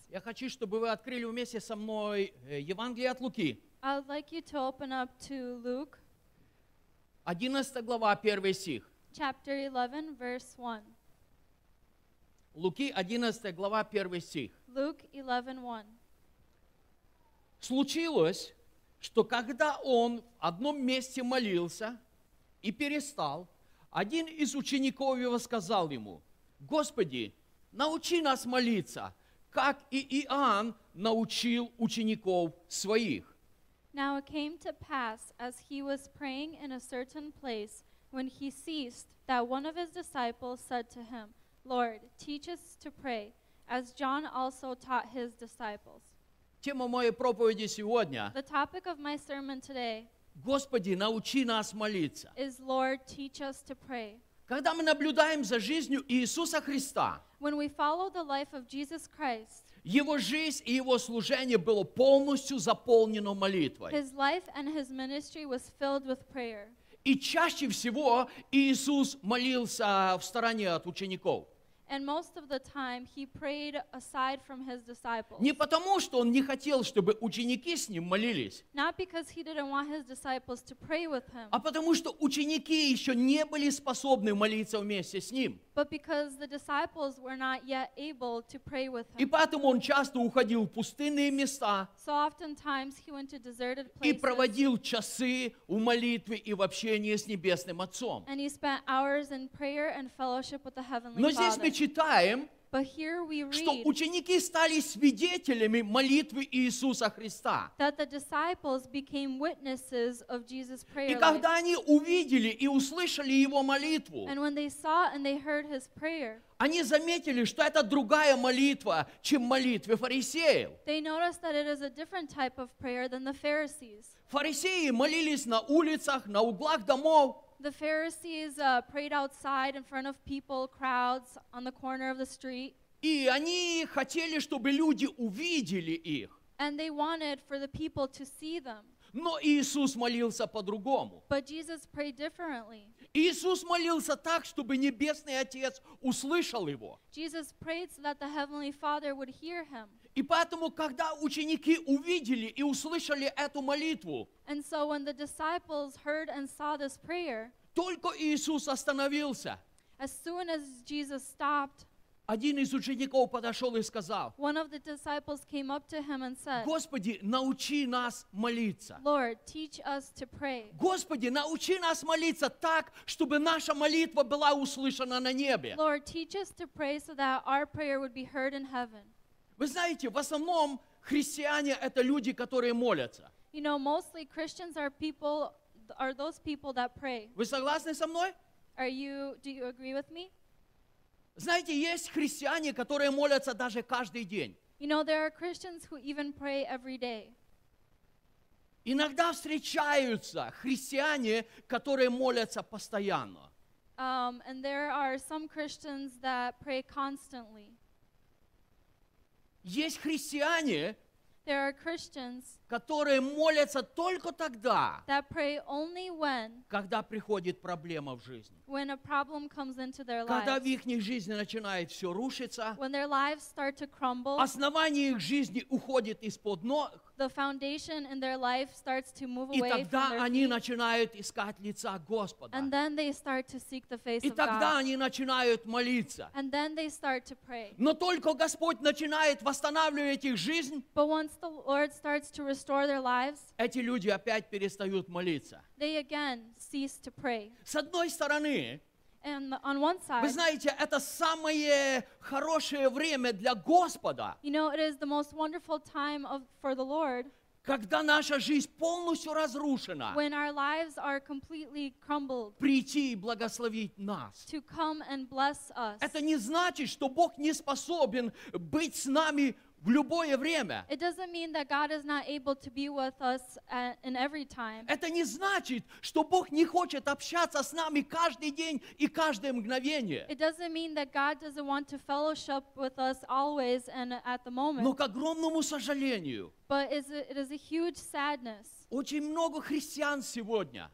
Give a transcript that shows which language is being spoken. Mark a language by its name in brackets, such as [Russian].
[Russian] я хочу, чтобы вы открыли вместе со мной Евангелие от Луки. [English] I would like you to open up to Luke. [Russian] 11 глава, 1 стих. [English] Chapter 11, verse 1. [Russian] Луки, 11 глава, 1 стих. [English] Luke 11, 1. [Russian] Случилось, что когда он в одном месте молился и перестал, один из учеников его сказал ему: «Господи, научи нас молиться, как и Иоанн научил учеников своих». [English] Now it came to pass, as he was praying in a certain place, when he ceased, that one of his disciples said to him, Lord, teach us to pray, as John also taught his disciples. [Russian] Тема моей проповеди сегодня, [English] the topic of my sermon today, [Russian] Господи, научи нас молиться, [English] is Lord, teach us to pray. [Russian] Когда мы наблюдаем за жизнью Иисуса Христа, [English] when we follow the life of Jesus Christ, [Russian] Его жизнь и Его служение было полностью заполнено молитвой. [English] His life and his ministry was filled with prayer. [Russian] И чаще всего Иисус молился в стороне от учеников. [English] And most of the time he prayed aside from his disciples. [Russian] Не потому, что он не хотел, чтобы ученики с ним молились. [English] Not because he didn't want his disciples to pray with him. [Russian] А потому, что ученики еще не были способны молиться вместе с ним. [English] But because the disciples were not yet able to pray with him. [Russian] И поэтому он часто уходил в пустынные места. [English] So oftentimes he went to deserted places. [Russian] И проводил часы в молитве и в общении с Небесным Отцом. [English] And he spent hours in prayer and fellowship with the Heavenly Father. [Russian] Мы читаем, [English] but here we read, [Russian] что ученики стали свидетелями молитвы Иисуса Христа. [English] That the disciples became witnesses of Jesus' prayer [Russian] life. И когда они увидели и услышали Его молитву, [English] and when they saw and they heard His prayer, [Russian] они заметили, что это другая молитва, чем молитвы фарисеев. [English] They noticed that it is a different type of prayer than the Pharisees. [Russian] Фарисеи молились на улицах, на углах домов. [English] The Pharisees prayed outside in front of people, crowds, on the corner of the street. [Russian] И они хотели, чтобы люди увидели их. [English] And they wanted for the people to see them. [Russian] Но Иисус молился по-другому. [English] But Jesus prayed differently. [Russian] Иисус молился так, чтобы Небесный Отец услышал Его. [English] Jesus prayed so that the Heavenly Father would hear Him. [Russian] И поэтому, когда ученики увидели и услышали эту молитву, [English] and so when the disciples heard and saw this prayer, [Russian] только Иисус остановился, [English] as soon as Jesus stopped, [Russian] один из учеников подошел и сказал, [English] one of the disciples came up to him and said, [Russian] Господи, научи нас молиться. [English] Lord, teach us to pray. [Russian] Господи, научи нас молиться так, чтобы наша молитва была услышана на небе. [English] Lord, teach us to pray so that our prayer would be heard in heaven. [Russian] Вы знаете, в основном христиане – это люди, которые молятся. [English] You know, mostly Christians are people, are those people that pray. [Russian] Вы согласны со мной? [English] Are you, do you agree with me? [Russian] Знаете, есть христиане, которые молятся даже каждый день. [English] You know, there are Christians who even pray every day. [Russian] Иногда встречаются христиане, которые молятся постоянно. [English] And there are some Christians that pray constantly. [Russian] Есть христиане, [English] there are Christians, [Russian] которые молятся только тогда, [English] that pray only when, [Russian] когда приходит проблема в жизни. [English] When a problem comes into their lives. [Russian] Когда в их жизни начинает все рушиться, [English] when their lives start to crumble, [Russian] основание их жизни уходит из-под ног, [English] the foundation in their life starts to move [Russian] и [English] away [Russian] тогда [English] from their [Russian] они [English] feet, [Russian] начинают искать лица Господа. [English] And then they start to seek the face [Russian] и [English] of [Russian] тогда [English] God. [Russian] Они начинают молиться. [English] And then they start to pray. [Russian] Но только Господь начинает восстанавливать их жизнь, [English] but once the Lord starts to restore their lives, [Russian] эти люди опять перестают молиться. [English] They again cease to pray. [Russian] С одной стороны, [English] and on one side, [Russian] вы знаете, это самое хорошее время для Господа. [English] You know, it is the most wonderful time of, for the Lord. [Russian] Когда наша жизнь полностью разрушена, [English] when our lives are completely crumbled, [Russian] прийти и благословить нас. [English] To come and bless us. [Russian] Это не значит, что Бог не способен быть с нами в любое время. [English] It doesn't mean that God is not able to be with us in every time. [Russian] Это не значит, что Бог не хочет общаться с нами каждый день и каждое мгновение. [English] It doesn't mean that God doesn't want to fellowship with us always and at the moment. [Russian] Но к огромному сожалению, [English] but it is a huge sadness, [Russian] очень много христиан сегодня,